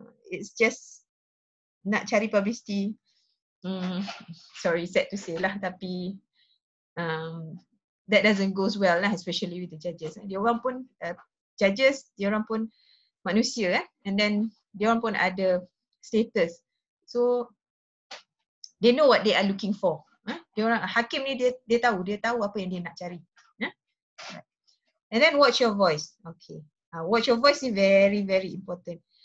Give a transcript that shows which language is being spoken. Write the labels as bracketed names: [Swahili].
[English] It's just nak cari publicity. Sorry, sad to say lah, [Malay] tapi that doesn't goes well lah, [English] especially with the judges. [Malay] Dia orang pun judges, dia orang pun manusia, eh? [English] And then [Malay] dia orang pun ada status, [English] so they know what they are looking for. [Malay] Dia orang hakim ni dia tahu apa yang dia nak cari. [English] And then watch your voice. Okay, watch your voice is very very important.